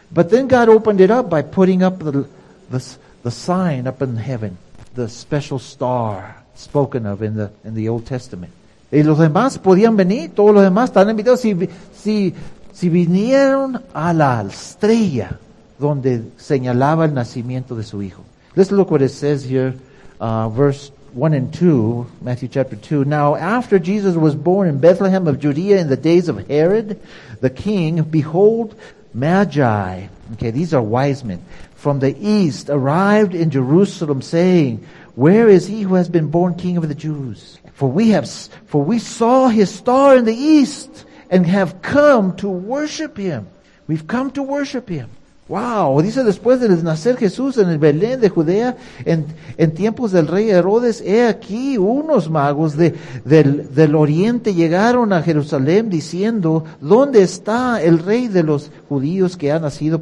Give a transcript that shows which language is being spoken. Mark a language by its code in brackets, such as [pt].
[en] But then God opened it up by putting up the sign up in heaven, the special star spoken of in the Old Testament. [es] Y los demás podían venir, todos los demás están invitados. Si vinieron a la estrella donde señalaba el nacimiento de su Hijo. [en] Let's look what it says here, verse 1 and 2, Matthew chapter 2. Now, after Jesus was born in Bethlehem of Judea in the days of Herod the king, behold, magi, okay, these are wise men, from the east arrived in Jerusalem saying, where is he who has been born king of the Jews? For we saw his star in the east and have come to worship him. We've come to worship him. [es] Wow, dice después de nacer Jesús en el Belén de Judea, en tiempos del rey Herodes, he aquí unos magos del oriente llegaron a Jerusalén diciendo, ¿dónde está el rey de los judíos que ha nacido?